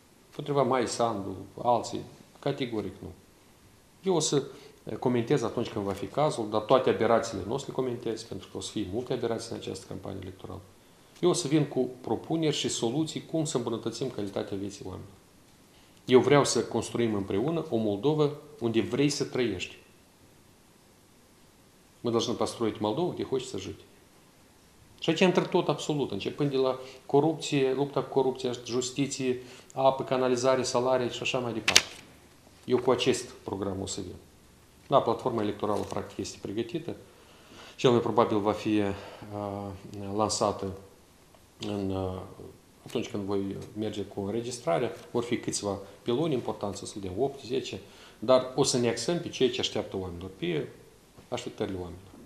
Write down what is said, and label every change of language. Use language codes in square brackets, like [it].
[ro] Potriva Mai Sandu, alții, categoric nu. Eu o să comentez atunci când va fi cazul, dar toate aberațiile nu o să le comentez, pentru că o să fie multe aberații în această campanie electorală. Eu o să vin cu propuneri și soluții cum să îmbunătățim calitatea vieții oamenilor. Eu vreau să construim împreună o Moldovă unde vrei să trăiești. [ru] Мы должны построить Молдову, где хочется жить. Что-то [ro] entre tot absolut, începând de la corupție, lupta cu corupția, justiție, apă, canalizare, salarii și așa mai departe. Eu cu acest program o să vin. Da, platforma electorală practic este pregătită. Cel mai probabil va fi lansată în atunci când voi merge cu înregistrarea, vor fi câțiva piloni importanți, să vedem 8, 10, dar o să ne axăm pe ceea ce așteaptă oamenilor, pe așteptările oamenilor.